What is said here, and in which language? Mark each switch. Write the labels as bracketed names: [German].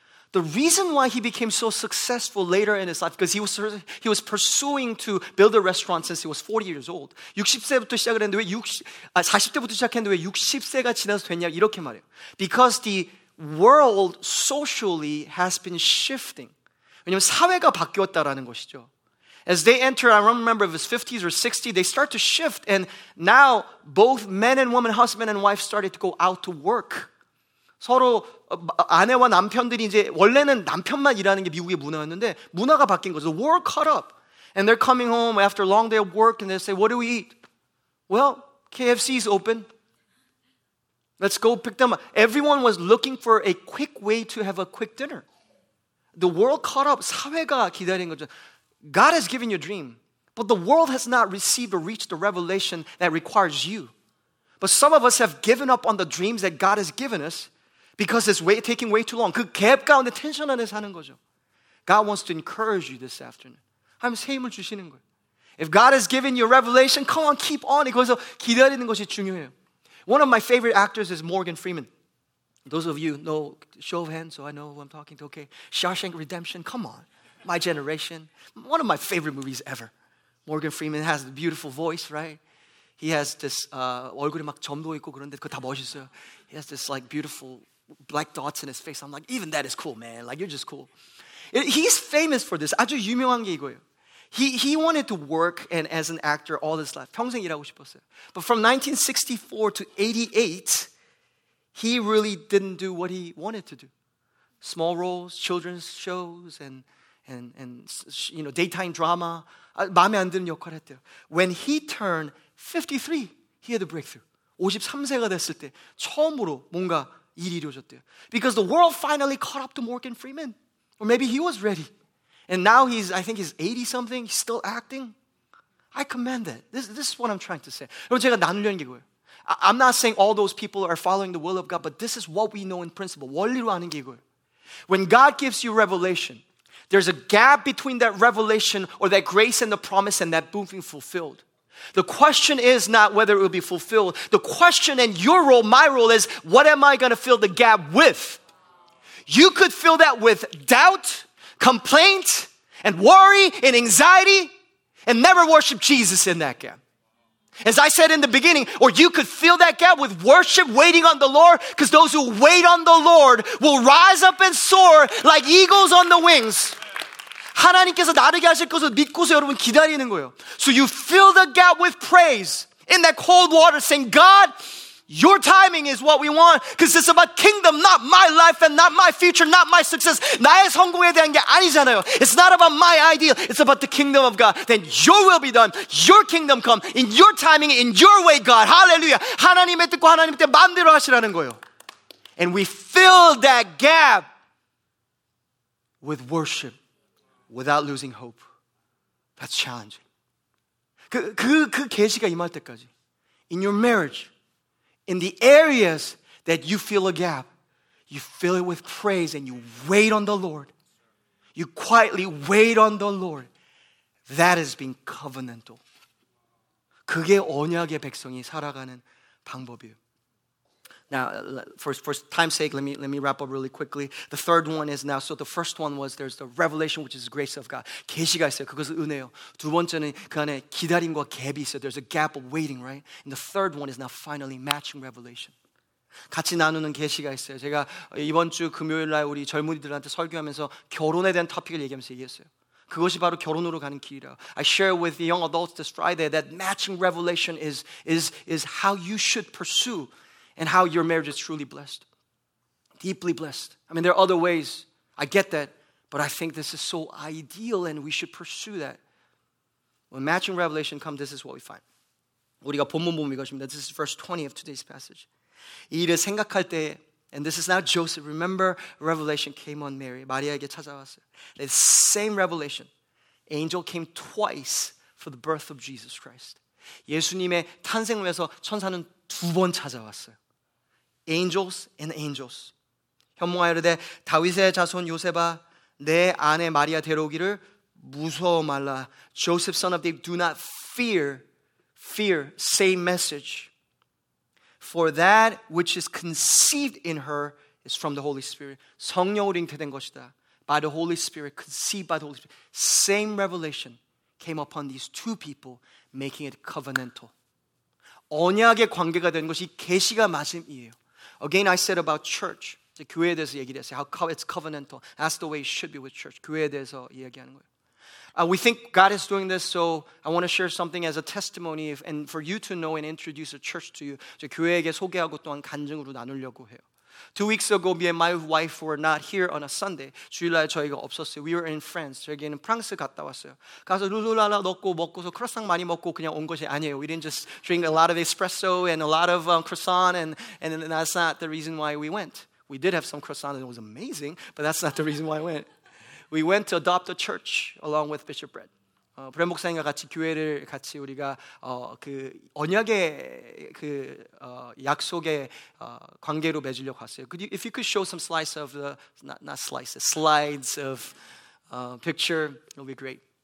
[English] The reason why he became so successful later in his life, because he was pursuing to build a restaurant since he was 40 years old. [Korean] 60세부터 시작을 했는데 왜 40대부터 시작했는데 왜 60세가 지나서 됐냐 이렇게 말해요. [English] Because the world socially has been shifting. [Korean] 왜냐면 사회가 바뀌었다라는 것이죠. [English] As they enter, I don't remember if it was 50s or 60s, they start to shift. And now both men and women, husband and wife, started to go out to work. [Korean] 서로 아내와 남편들이 이제 원래는 남편만 일하는 게 미국의 문화였는데 문화가 바뀐 거죠. [English] The world caught up. And they're coming home after a long day of work and they say, what do we eat? Well, KFC is open. Let's go pick them up. Everyone was looking for a quick way to have a quick dinner. The world caught up. [Korean] 사회가 기다린 거죠. [English] God has given you a dream. But the world has not received or reached the revelation that requires you. But some of us have given up on the dreams that God has given us because it's taking way too long. [Korean] 그 갭 가운데 텐션 안에 사는 거죠. [English] God wants to encourage you this afternoon. [Korean] 하나님 힘을 주시는 거예요. [English] If God has given you a revelation, come on, keep on. [Korean] 거기서 기다리는 것이 중요해요. [English] One of my favorite actors is Morgan Freeman. Those of you know, show of hands so I know who I'm talking to. Okay, Shawshank Redemption, come on. My generation. One of my favorite movies ever. Morgan Freeman has a beautiful voice, right? He has this [Korean] 얼굴이 막 점도 있고 그런데 그거 다 멋있어요. [English] He has this like beautiful black dots in his face. I'm like, even that is cool, man. Like, you're just cool. He's famous for this. [Korean] 아주 유명한 게 이거예요. [English] He wanted to work and as an actor all his life. [Korean] 평생 일하고 싶었어요. [English] But from 1964 to 88, he really didn't do what he wanted to do. Small roles, children's shows, and you know, daytime drama. [Korean] 마음에 안 드는 역할을 했대요. [English] When he turned 53, he had a breakthrough. [Korean] 53세가 됐을 때 처음으로 뭔가 일이 이루어졌대요. [English] Because the world finally caught up to Morgan Freeman. Or maybe he was ready. And now he's, I think he's 80-something, he's still acting. I commend that. This is what I'm trying to say. [Korean] 여러분, 제가 나누려는 게 이거예요. [English] I'm not saying all those people are following the will of God, but this is what we know in principle. [Korean] 원리로 아는 게 이거예요. [English] When God gives you revelation, there's a gap between that revelation or that grace and the promise and that boom being fulfilled. The question is not whether it will be fulfilled. The question and your role, my role is, what am I going to fill the gap with? You could fill that with doubt, complaint, and worry, and anxiety, and never worship Jesus in that gap. As I said in the beginning, or you could fill that gap with worship, waiting on the Lord, because those who wait on the Lord will rise up and soar like eagles on the wings. [Korean] 하나님께서 나르게 하실 것을 믿고서 여러분 기다리는 거예요. [English] So you fill the gap with praise in that cold water, saying, God, your timing is what we want, because it's about kingdom, not my life and not my future, not my success. [Korean] 나의 성공에 대한 게 아니잖아요. [English] It's not about my ideal. It's about the kingdom of God. Then your will be done. Your kingdom come in your timing, in your way, God. Hallelujah. [Korean] 하나님의 뜻과 하나님의 때 마음대로 하시라는 거예요. [English] And we fill that gap with worship without losing hope. That's challenging. [Korean] 그 계시가 임할 때까지. [English] In your marriage, in the areas that you feel a gap, you fill it with praise and you wait on the Lord. You quietly wait on the Lord. That is being covenantal. [Korean] 그게 언약의 백성이 살아가는 방법이에요. [English] Now, for time's sake, let me wrap up really quickly. The third one is now, so the first one was there's the revelation, which is the grace of God. [Korean] 계시가 있어요. 그것은 은혜요. 두 번째는 그 안에 기다림과 갭이 있어요. [English] There's a gap of waiting, right? And the third one is now finally matching revelation. [Korean] 같이 나누는 계시가 있어요. 제가 이번 주 금요일날 우리 젊은이들한테 설교하면서 결혼에 대한 토픽을 얘기하면서 얘기했어요. 그것이 바로 결혼으로 가는 길이라. [English] I share with the young adults this Friday that matching revelation is how you should pursue and how your marriage is truly blessed, deeply blessed. I mean, there are other ways. I get that. But I think this is so ideal, and we should pursue that. When matching revelation comes, this is what we find. [Korean] 우리가 본문 보면 이것입니다. [English] This is verse 20 of today's passage. [Korean] 이 일을 생각할 때, [English] and this is now Joseph. Remember, revelation came on Mary. [Korean] 마리아에게 찾아왔어요. [English] The same revelation. Angel came twice for the birth of Jesus Christ. [Korean] 예수님의 탄생을 위해서 천사는 두 번 찾아왔어요. [English] Angels and angels. [Korean] 현몽하여르되 다윗의 자손 요셉아 내 아내 마리아 데려오기를 무서워 말라. [English] Joseph, son of David, do not fear. Fear, same message. For that which is conceived in her is from the Holy Spirit. [Korean] 성령으로 잉태된 것이다. [English] By the Holy Spirit, conceived by the Holy Spirit. Same revelation came upon these two people, making it covenantal. [Korean] 언약의 관계가 되는 것이 계시가 말씀이에요. [English] Again, I said about church. [Korean] 교회에 대해서 얘기를 했어요. [English] How it's covenantal. That's the way it should be with church. [Korean] 교회에 대해서 이야기하는 거예요. [English] We think God is doing this, so I want to share something as a testimony and for you to know and introduce a church to you. [Korean] 교회에게 소개하고 또한 간증으로 나누려고 해요. [English] 2 weeks ago, me and my wife were not here on a Sunday. [Korean] 주일날 저희가 없었어요. [English] We were in France. [Korean] 저희는 프랑스 갔다 왔어요. 가서 룰루랄라 넣고 먹고서 크로상 많이 먹고 그냥 온 것이 아니에요. [English] We didn't just drink a lot of espresso and a lot of croissant, and that's not the reason why we went. We did have some croissant and it was amazing, but that's not the reason why I went. We went to adopt a church along with Bishop Brett. [Korean] 브렌 목사님과 같이 교회를 같이 우리가 그 언약의 그 약속의 관계로 맺으려고 왔어요. [English] Could you, if you could show some slides of the slides of picture, it'll be great.